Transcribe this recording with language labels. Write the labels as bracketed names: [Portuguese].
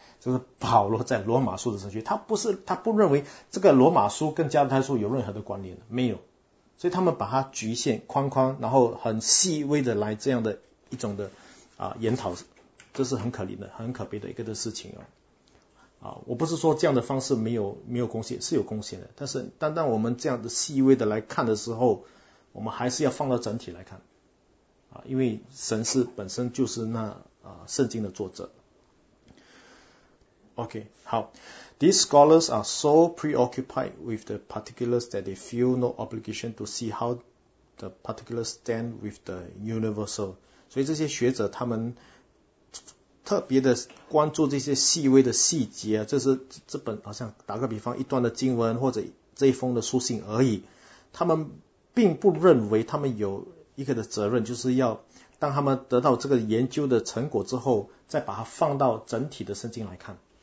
[Chinese] 就是保罗在罗马书的时候，他不认为这个罗马书跟加拉太书有任何的关联，没有，所以他们把它局限框框，然后很细微的来这样的一种的研讨，这是很可怜的，很可悲的一个的事情哦。我不是说这样的方式没有贡献，是有贡献的，但是单单我们这样的细微的来看的时候，我们还是要放到整体来看因为神是本身就是那圣经的作者。 OK, 好。 [English] These scholars are so preoccupied with the particulars that they feel no obligation to see how the particulars stand with the universal. [Chinese] 所以这些学者他们特别的关注这些细微的细节这是这本好像打个比方一段的经文或者这一封的书信而已。他们并不认为他们有一个的责任就是要当他们得到这个研究的成果之后再把它放到整体的圣经来看。